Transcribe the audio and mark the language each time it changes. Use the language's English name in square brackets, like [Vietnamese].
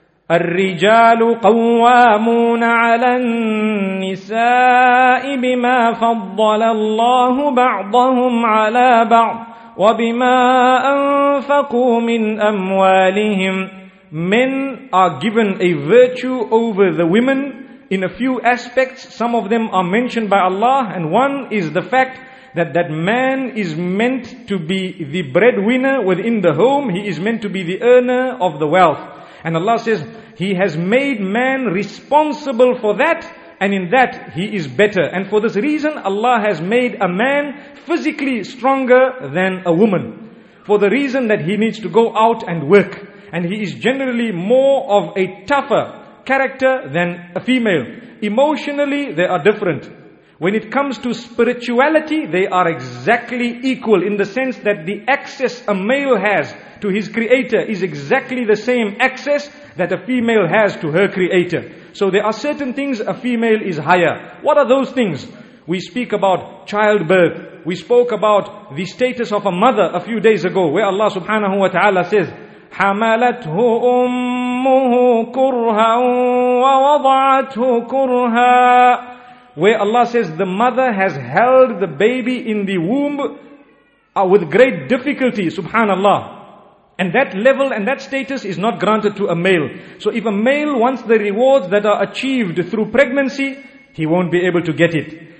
[Arabic] الرجال قوامون على النساء بما فضل الله بعضهم على بعض وبما أنفقوا من أموالهم. [English] Men are given a virtue over the women in a few aspects. Some of them are mentioned by Allah, and one is the fact that man is meant to be the breadwinner within the home. He is meant to be the earner of the wealth. And Allah says, He has made man responsible for that, and in that he is better. And for this reason, Allah has made a man physically stronger than a woman. For the reason that he needs to go out and work. And he is generally more of a tougher character than a female. Emotionally, they are different. When it comes to spirituality, they are exactly equal in the sense that the access a male has to his creator is exactly the same access that a female has to her creator. So there are certain things a female is higher. What are those things? We speak about childbirth. We spoke about the status of a mother a few days ago, where Allah subhanahu wa ta'ala says, [Arabic] حَمَلَتْهُ أُمُّهُ كُرْهًا وَوَضَعَتْهُ كُرْهًا. [English] Where Allah says the mother has held the baby in the womb with great difficulty, subhanallah. And that level and that status is not granted to a male. So if a male wants the rewards that are achieved through pregnancy, he won't be able to get it.